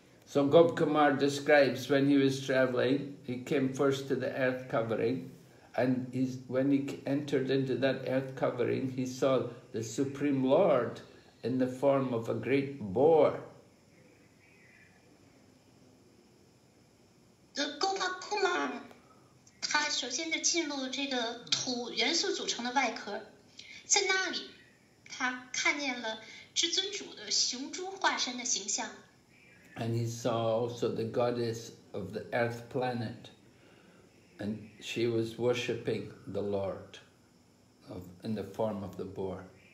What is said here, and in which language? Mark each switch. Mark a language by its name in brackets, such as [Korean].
[English] So Gop Kumar describes when he was traveling, he came first to the earth covering, and when he entered into that earth covering, he saw the Supreme Lord in the form of a great boar. [Chinese] Gop Kumar, 他首先就进入这个土元素组成的外壳，在那里，他看见了至尊主的雄猪化身的形象。 [English] And he saw also the goddess of the earth planet, and she was worshipping the Lord of, in the form of the boar.